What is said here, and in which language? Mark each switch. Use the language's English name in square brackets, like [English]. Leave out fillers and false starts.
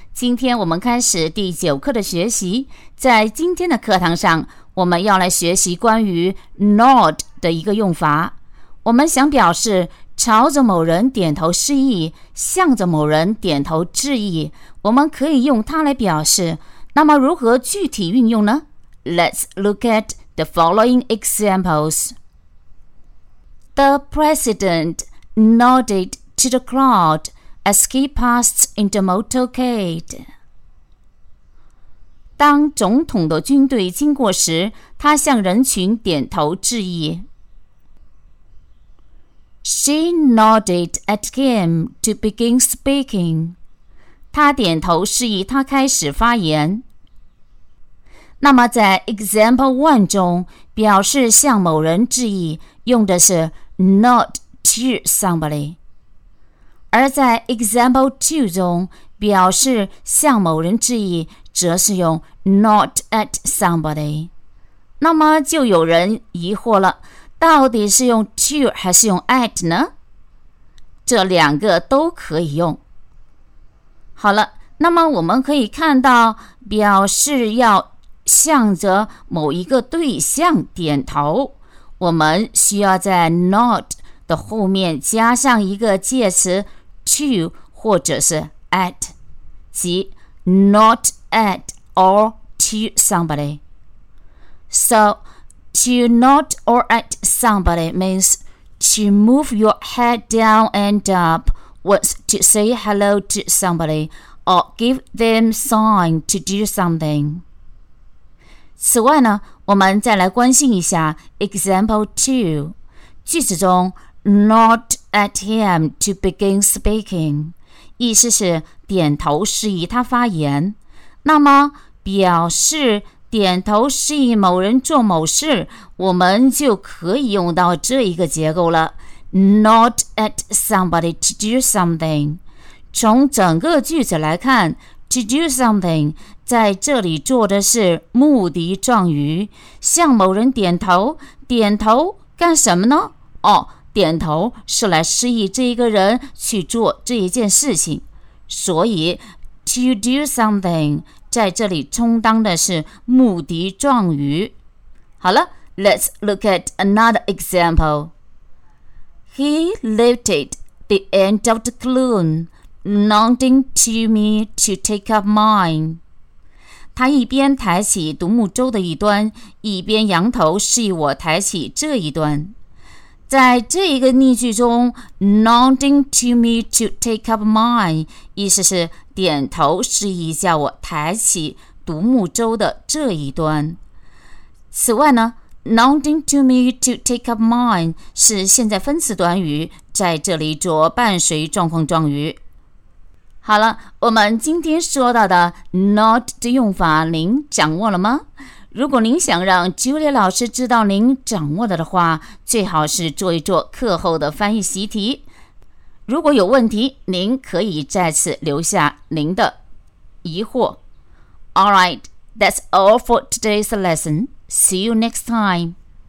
[Chinese] 今天我们开始第九课的学习，在今天的课堂上，我们要来学习关于 nod 的一个用法。我们想表示朝着某人点头示意，向着某人点头致意，我们可以用它来表示。那么如何具体运用呢？ [English] Let's look at the following examples. The president nodded to the crowd as he passed in the motorcade. [Chinese] 当总统的军队经过时，他向人群点头致意。 [English] She nodded at him to begin speaking. [Chinese] 他点头示意他开始发言。那么在 example 1中，表示向某人致意，用的是 [English] Nod to somebody. [Chinese] 而在 example 2中，表示向某人致意，则是用 [English] nod at somebody. [Chinese] 那么就有人疑惑了，到底是用 to 还是用 at 呢？这两个都可以用。好了，那么我们可以看到，表示要向着某一个对象点头，我们需要在 nod 的后面加上一个介词 to 或者是 at， 即 [English] not at or to somebody。 So to nod or at somebody means to move your head down and up once to say hello to somebody or give them sign to do something。 [Chinese] 此外呢，我们再来关心一下 example 2。句子中 [English] nod at him to begin speaking [Chinese] 意思是点头示意他发言。那么表示点头示意某人做某事，我们就可以用到这一个结构了， [English] nod at somebody to do something。 [Chinese] 从整个句子来看， [English] To do something [Chinese] 在这里做的是目的状语，向某人点头，点头干什么呢？哦，点头是来示意这一个人去做这一件事情。所以 [English] To do something [Chinese] 在这里充当的是目的状语。好了， [English] Let's look at another example. He lifted the end of the cloon. Nodding to me to take up mine. [Chinese] 他一边抬起独木舟的一端，一边仰头示意我抬起这一端。在这一个例句中， [English] Nodding to me to take up mine [Chinese] 意思是点头示意叫我抬起独木舟的这一端。此外呢， [English] Nodding to me to take up mine [Chinese] 是现在分词短语，在这里做伴随状况状语。好了，我们今天说到的 nod 的用法您掌握了吗？如果您想让 Julia 老师知道您掌握的话，最好是做一做课后的翻译习题。如果有问题，您可以再次留下您的疑惑。 [English] Alright, that's all for today's lesson. See you next time.